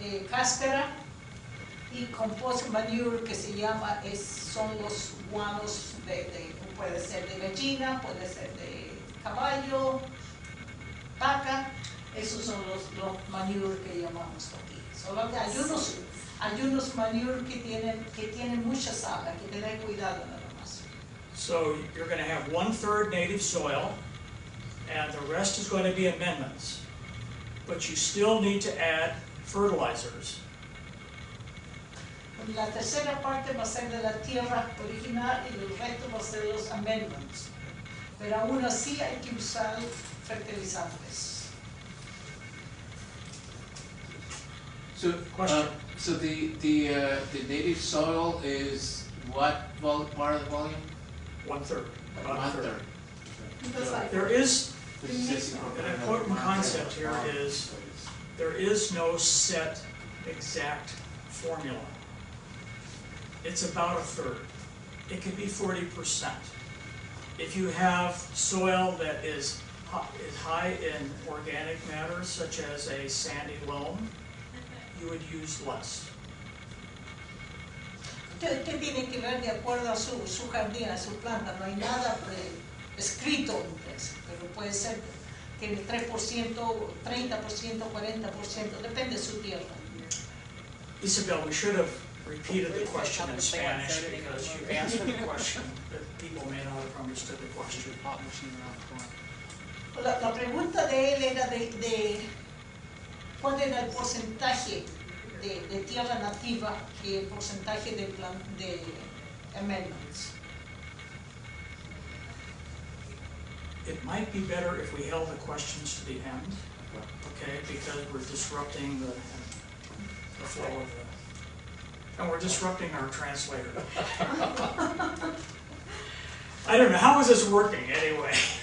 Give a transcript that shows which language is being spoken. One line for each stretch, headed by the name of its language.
Spanish: Cáscara y compost manure, que se llama, son los guanos de puede ser de gallina, puede ser de caballo, vaca, esos son los manure que llamamos aquí. Solo que hay unos manure que tienen mucha sal, hay que tener cuidado nada más.
English: So you're going to have 1/3 native soil, and the rest is going to be amendments. But you still need to add fertilizers.
Spanish: La tercera parte va a ser de la tierra original y el resto va a ser los amendments. Pero aún así hay que usar fertilizantes.
English: So, question. So the native soil is what part of the volume? 1/3. About 1/3. There is an important concept here is there is no set exact formula. It's about 1/3. It could be 40%. If you have soil that is high in organic matter, such as a sandy loam, you would use less.
Spanish: Usted tiene que ver de acuerdo a su jardín, a su planta. No hay nada escrito en inglés, pero puede ser que tiene 3%, 30%, 40%. Depende de su tierra.
English: Isabel, we should have repeated the question in Spanish because you answered the question, but people may not have understood the question.
Spanish: La pregunta de él era de ¿cuál era el porcentaje de tierra nativa y el porcentaje de amendments?
English: It might be better if we held the questions to the end, okay, because we're disrupting the flow of the... And we're disrupting our translator. I don't know, how is this working anyway?